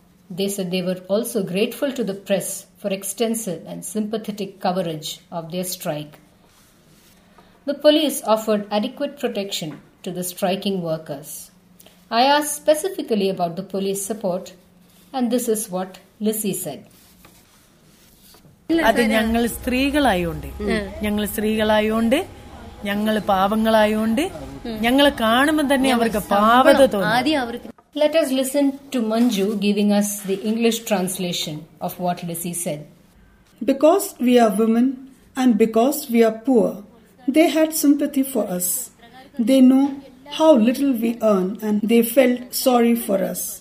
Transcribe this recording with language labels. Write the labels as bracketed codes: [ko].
[en] They said they were also grateful to the press for extensive and sympathetic coverage of their strike. The police offered adequate protection to the striking workers. I asked specifically about the police support, and this is what Lizzie said. [ml] അത് ഞങ്ങൾ സ്ത്രീകളായോണ്ട് ഞങ്ങൾ സ്ത്രീകളായോണ്ട് ഞങ്ങൾ പാവങ്ങളായോണ്ട് ഞങ്ങൾ കാണുമ്പോൾ തന്നെ അവർക്ക് പാവത തോന്നും. [en] Let us listen to Manju giving us the English translation of what Lizzie said. Because we are women and because we are poor, they had sympathy for us. They know how little we earn and they felt sorry for us.